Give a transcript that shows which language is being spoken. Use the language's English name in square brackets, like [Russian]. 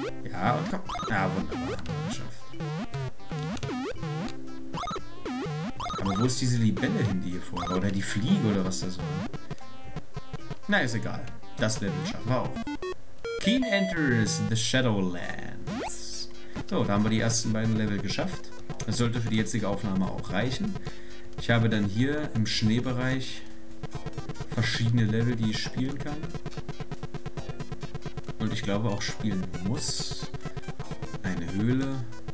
[German] Ja, und komm. Ja, wunderbar. Aber wo ist diese Libelle hin, die hier vorher? Oder die Fliege oder was das war? Na, ist egal. Das Level schaffen wir auch. [English] Keen enters the Shadowlands. [German] So, da haben wir die ersten beiden Level geschafft. Das sollte für die jetzige Aufnahme auch reichen. Ich habe dann hier im Schneebereich verschiedene Level, die ich spielen kann. Und ich glaube auch spielen muss. Eine Höhle.